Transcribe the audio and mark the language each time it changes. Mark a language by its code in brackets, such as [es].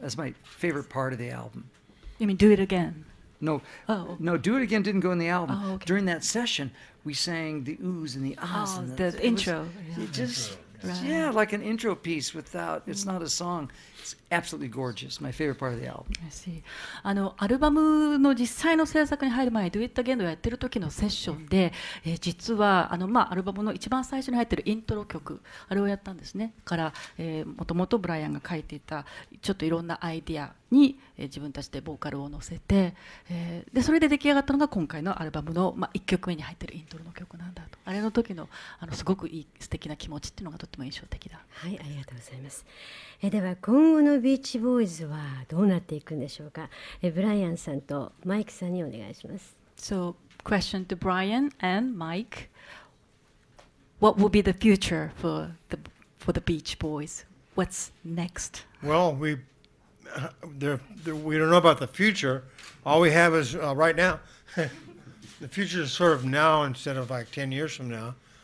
[en] That's my favorite part of the album. You mean Do It Again? No, Do It Again didn't go in the album. Oh, okay. During that session, we sang the oohs and the ahs. The intro. Yeah, like an intro piece without, it's not a song. It's absolutely gorgeous. My favorite part of the album. I see. [ja] あの、アルバムの実際の制作に入る前、Do It Again をやってる時のセッションで、実はあの、まあ、アルバムの一番最初に入ってるイントロ曲、あれをやったんですね。から、もともとブライアンが書いていた、ちょっといろんなアイディアに、自分たちでボーカルを乗せて、でそれで出来上がったのが今回のアルバムの、まあ、1曲目に入ってるイントロの曲なんだと。あれの時の、あのすごくいい素敵な気持ちっていうのがとってても印象的だ。はい、ありがとうございます。では今後のビーチボーイズはどうなっていくんでしょうか。ブライアンさんとマイクさんにお願いします。 [en] So question to Brian and Mike, what will be the future for the Beach Boys? What's next? Well, we don't know about the future. All we have is right now. The future is sort of now instead of like 10 years from now.